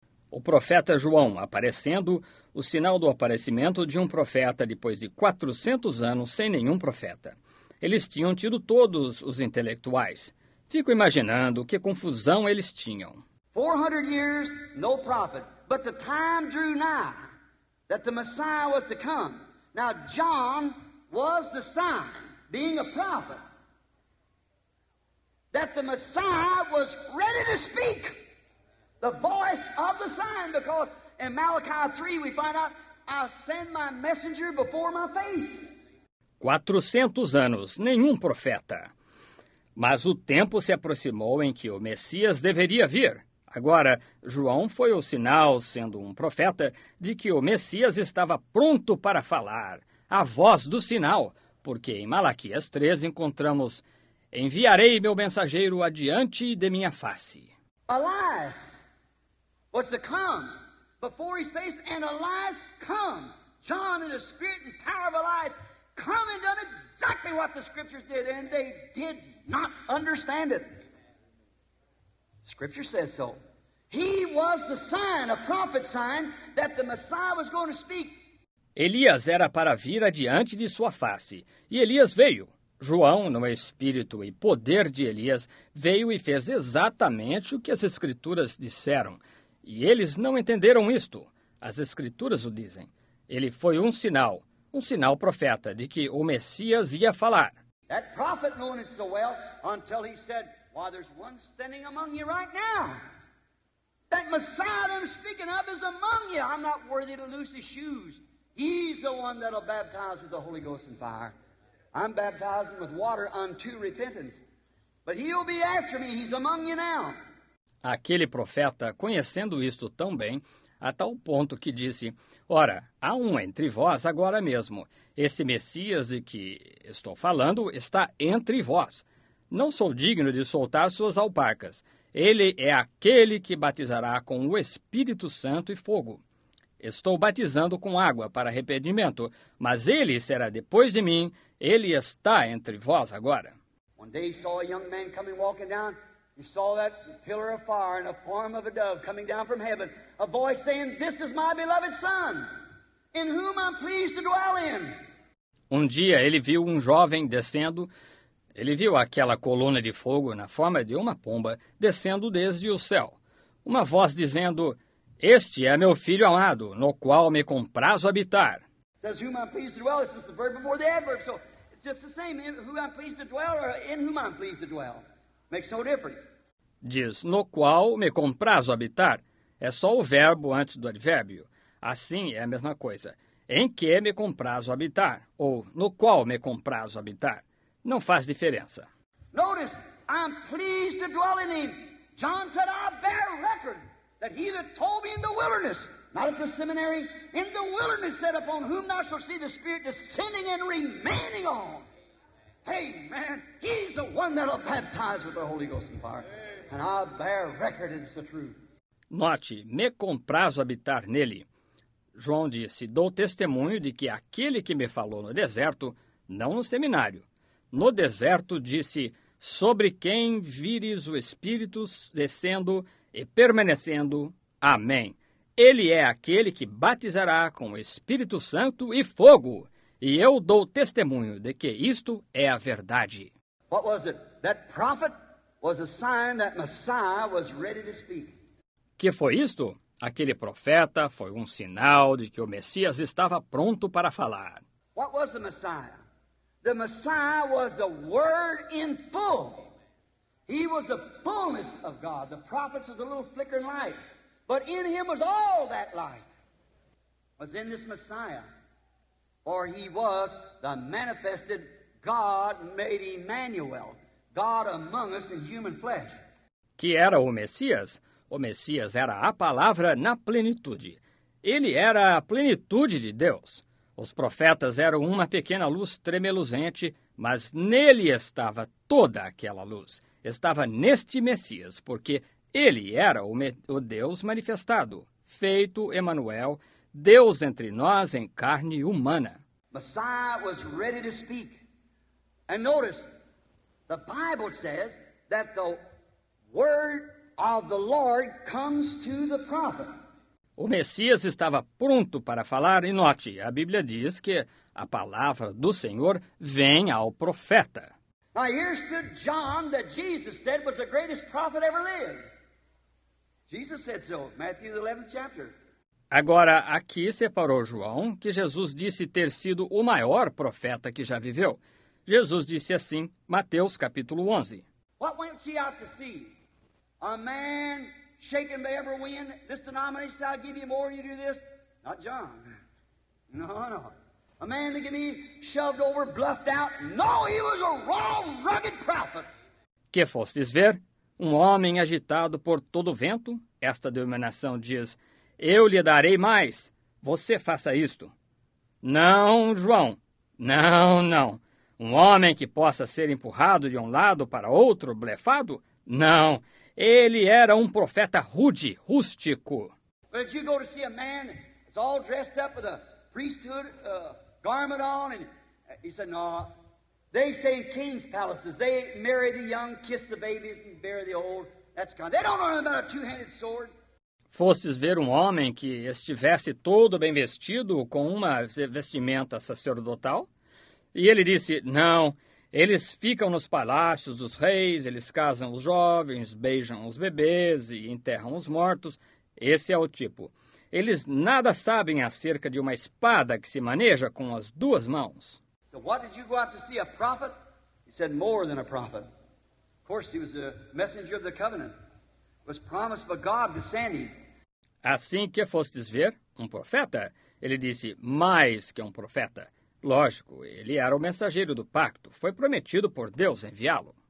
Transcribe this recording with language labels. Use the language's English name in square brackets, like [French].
[Portuguese] O profeta João aparecendo, o sinal do aparecimento de um profeta depois de 400 anos sem nenhum profeta. Eles tinham tido todos os intelectuais. Fico imaginando que confusão eles tinham. [English] 400 years, no prophet, but the time drew nigh that the Messiah was to come. Now, John was the sign, being a prophet, that the Messiah was ready to speak, the voice of the sign, because in Malachi 3 we find out, I send my messenger before my face. [Portuguese] 400 anos, nenhum profeta. Mas o tempo se aproximou em que o Messias deveria vir. Agora, João foi o sinal, sendo um profeta, de que o Messias estava pronto para falar, a voz do sinal, porque em Malaquias 3 encontramos, enviarei meu mensageiro adiante de minha face. [English] Elias was to come before his face, and Elias come. John in the spirit and power of Elias come and done it. exactly what the scriptures did, and they did not understand it. Scripture says so. He was the sign, a prophet sign, that the Messiah was going to speak. [Portuguese] Elias era para vir adiante de sua face, e Elias veio. João, no espírito e poder de Elias, veio e fez exatamente o que as escrituras disseram. E eles não entenderam isto. As escrituras o dizem. Ele foi um sinal profeta, de que o Messias ia falar. [English] That prophet knew it so well, until he said, why, there's one standing among you right now. That Messiah that I'm speaking of is among you. I'm not worthy to loose his shoes. He's the one that'll baptize with the Holy Ghost and fire. I'm baptizing with water unto repentance. But he'll be after me. He's among you now. [Portuguese] Aquele profeta, conhecendo isto tão bem, a tal ponto que disse, ora, há um entre vós agora mesmo. Esse Messias de que estou falando está entre vós. Não sou digno de soltar suas alparcas. Ele é aquele que batizará com o Espírito Santo e fogo. Estou batizando com água para arrependimento, mas ele será depois de mim. Ele está entre vós agora. [English] One day he saw a young man coming walking down. He saw that pillar of fire in a form of a dove coming down from heaven. A voice saying, this is my beloved son, in whom I'm pleased to dwell in. [Portuguese] Um dia ele viu um jovem descendo. Ele viu aquela coluna de fogo na forma de uma pomba descendo desde o céu. Uma voz dizendo, este é meu filho amado, no qual me comprazo habitar. [English] Says whom I'm pleased to dwell. This is the verb before the adverb. So it's just the same. Who I'm pleased to dwell or in whom I'm pleased to dwell. Makes no difference. [Portuguese] Diz, no qual me comprazo habitar. É só o verbo antes do advérbio. Assim é a mesma coisa. Em que me comprazo habitar. Ou no qual me comprazo habitar. Não faz diferença. [English] Notice, I'm pleased to dwell in him. John said, I bear record that he that told me in the wilderness, not at the seminary, in the wilderness said, upon whom thou shalt see the Spirit descending and remaining on. Hey, man, he's the one that'll baptize with the Holy Ghost and fire. And I bear record it's the truth. [Portuguese] Note, me comprazo habitar nele. João disse, dou testemunho de que aquele que me falou no deserto, não no seminário. No deserto disse, sobre quem vires o Espírito descendo e permanecendo, amém. Ele é aquele que batizará com o Espírito Santo e fogo. E eu dou testemunho de que isto é a verdade. [English] What was it? That prophet was a sign that Messiah was ready to speak. [Portuguese] Que foi isto? Aquele profeta foi um sinal de que o Messias estava pronto para falar. [English] What was the Messiah? The Messiah was the word in full. He was the fullness of God. The prophets was a little flickering light. But in him was all that light. Was in this Messiah. For he was the manifested God made Emmanuel. God among us in human flesh. [Portuguese] Que era o Messias? O Messias era a palavra na plenitude. Ele era a plenitude de Deus. Os profetas eram uma pequena luz tremeluzente, mas nele estava toda aquela luz. Estava neste Messias, porque ele era o Deus manifestado, feito Emmanuel, Deus entre nós em carne humana. [English] Messiah was ready to speak. And notice, the Bible says that the word of the Lord comes to the prophet. [Portuguese] O Messias estava pronto para falar, e note, a Bíblia diz que a palavra do Senhor vem ao profeta. [English] Now here stood John, that Jesus said was the greatest prophet ever lived. Jesus said so, Matthew 11th chapter. [Portuguese] Agora, aqui separou João, que Jesus disse ter sido o maior profeta que já viveu. Jesus disse assim, Mateus capítulo 11. [English] What went ye out to see? A man shaken by every wind, this denomination shall give you more, you do this. Not John. No, no. A man that can be shoved over, bluffed out. No, he was a raw, rugged prophet. [Portuguese] Que fostes ver? Um homem agitado por todo o vento? Esta denominação diz, eu lhe darei mais. Você faça isto. Não, João. Não, não. Um homem que possa ser empurrado de um lado para outro, blefado? Não. Ele era um profeta rude, rústico. [English] But you go to see a man that's all dressed up with a priesthood garment on, and he said, no, They stay in king's palaces. They marry the young, kiss the babies, and bury the old. That's kind. They don't know anything about a two-handed sword. [Portuguese] Fostes ver homem que estivesse todo bem vestido com uma vestimenta sacerdotal? E ele disse, não, eles ficam nos palácios dos reis, eles casam os jovens, beijam os bebês e enterram os mortos. Esse é o tipo. Eles nada sabem acerca de uma espada que se maneja com as duas mãos. [English] So what did you go out to see, a prophet? He said, more than a prophet. Of course, he was a messenger of the covenant. Was promised by God to send him. [Portuguese] Assim que fostes ver um profeta, ele disse, mais que um profeta. Lógico, ele era o mensageiro do pacto. Foi prometido por Deus enviá-lo.